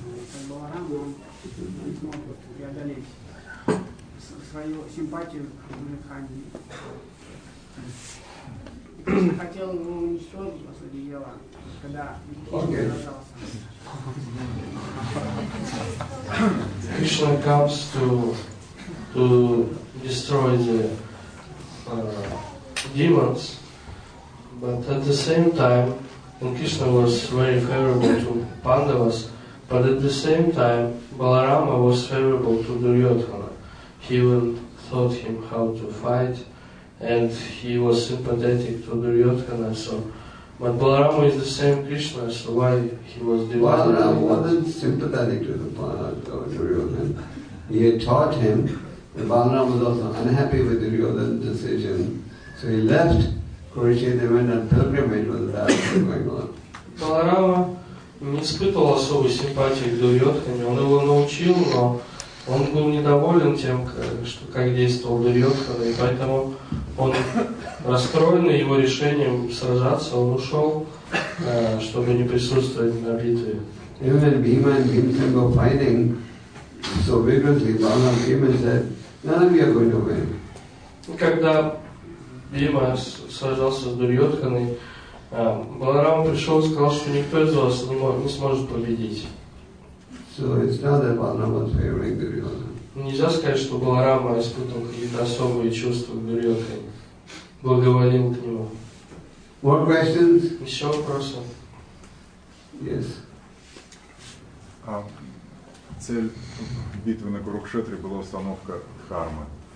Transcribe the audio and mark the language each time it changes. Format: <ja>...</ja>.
<ru>Это Баларама, он не смог преодолеть свою симпатию к Дурьотхане. Кришна хотел его уничтожить после дела, когда Кришна сражался.</ru> <en>Krishna comes to destroy the demons, but at the same time, and Krishna was very favorable to Pandavas, but at the same time, Balarama was favorable to Duryodhana. He even taught him how to fight, and he was sympathetic to Duryodhana, so. But Balarama is the same Krishna, so why he was divided? Balarama wasn't sympathetic to the Duryodhana. He had taught him, and Balarama was also unhappy with Duryodhana's decision. So he left Kurukshetra and went on pilgrimage with the battle going on.</en> <ru>Balarama не испытывал особой симпатии к Дурьотхане. Он его научил, но он был недоволен тем, как действовал Дурьотхана, и поэтому он, расстроенный его решением сражаться, он ушел, чтобы не присутствовать на битве.</ru> <en>Even Bhima and Bhimsen were fighting so vigorously, Balarama came and said, none of you are going to win.</en> <ru>Когда Бхима сражался с Дурьотханой, Баларама пришел и сказал, что никто из вас не сможет победить.</ru> <en>So it's not that Balarama is favoring Duryodhana.</en> <ru>Нельзя сказать, что Баларама испытывал какие-то особые чувства к Дурьотхане, благоволил к нему.</ru> <en>More questions?</en> <ru>Еще вопросы?</ru> <en>Yes.</en> <ru>Цель битвы на Курукшетре была установка дхармы.</ru>